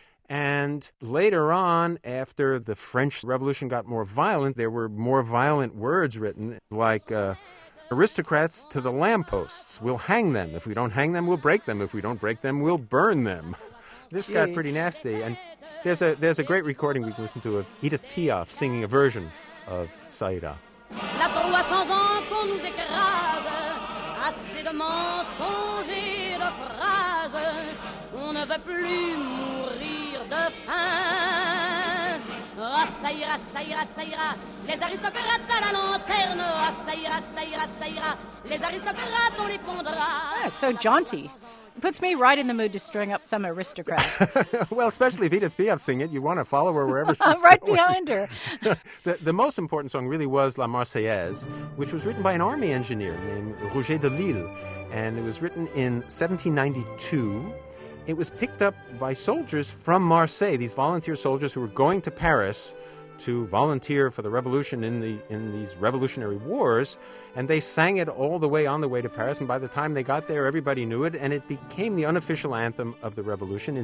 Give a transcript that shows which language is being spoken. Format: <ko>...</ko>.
<en>And later on, after the French Revolution got more violent, there were more violent words written, like aristocrats to the lampposts. We'll hang them. If we don't hang them, we'll break them. If we don't break them, we'll burn them. This got pretty nasty. And there's a great recording we can listen to of Edith Piaf singing a version of Ça ira.</en> <fr>La 300 ans qu'on nous écrase, assez de mensonges et de phrases, on ne veut plus mourir de faim. Ah, ça ira, ça ira, ça ira, les aristocrates à la lanterne, ah, ça ira, ça ira, ça ira, les aristocrates, on les pendra.</fr> <en>so jaunty. Puts me right in the mood to string up some aristocrat. Well, especially if Edith Piaf sing it, you want to follow her wherever she's going. Right behind her. The most important song really was La Marseillaise, which was written by an army engineer named Roger de Lille. And it was written in 1792. It was picked up by soldiers from Marseille, these volunteer soldiers who were going to Paris to volunteer for the revolution in these revolutionary wars, and they sang it all the way on the way to Paris, and by the time they got there, everybody knew it, and it became the unofficial anthem of the revolution.</en>